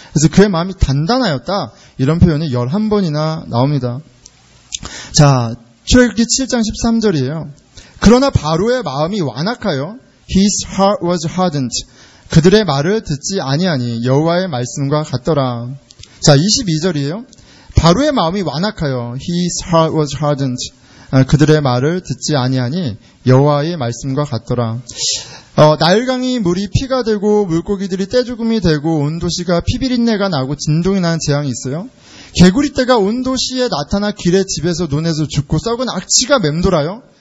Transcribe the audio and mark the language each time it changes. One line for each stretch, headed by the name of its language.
Korean: 그래서 그의 마음이 단단하였다. 이런 표현이 11번이나 나옵니다. 자, 출애굽기 7장 13절이에요. 그러나 바로의 마음이 완악하여
English: his heart was hardened.
Korean: 그들의 말을 듣지 아니하니 여호와의 말씀과 같더라. 자, 22절이에요. 바로의 마음이 완악하여
English: his heart was hardened.
Korean: 그들의 말을 듣지 아니하니 여호와의 말씀과 같더라. 나일강이 물이 피가 되고 물고기들이 떼죽음이 되고 온 도시가 피비린내가 나고 진동이 나는 재앙이 있어요. 개구리 떼가 온 도시에 나타나 길에 집에서 논에서 죽고 썩은 악취가 맴돌아요.